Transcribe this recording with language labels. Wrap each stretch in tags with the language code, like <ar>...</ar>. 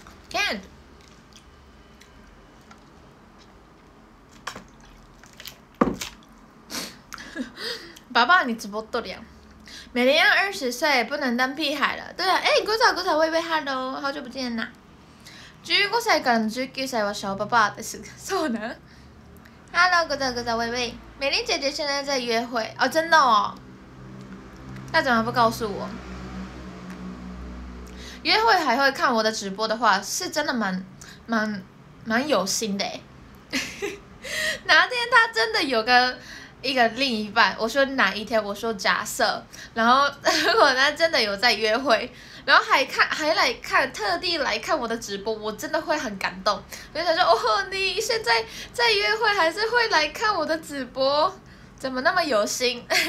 <zh>Can。爸爸，你直播多凉。美玲要二十岁，不能当屁孩了。对啊，哎，古早古早，微微 ，Hello， 好久不见呐。</zh> <ja>15歳から19歳は小ババアです。そうね。 Hello， ごちゃごちゃ、微微。</ja> <zh>美玲姐姐现在在约会哦，真的哦。那怎么不告诉我？约会还会看我的直播的话，是真的蛮有心的。哪天他真的有一个另一半，我说哪一天，我说假设，然后如果他真的有在约会，然后还来看特地来看我的直播，我真的会很感动，我就想说哦，你现在在约会还是会来看我的直播，怎么那么有心。</zh>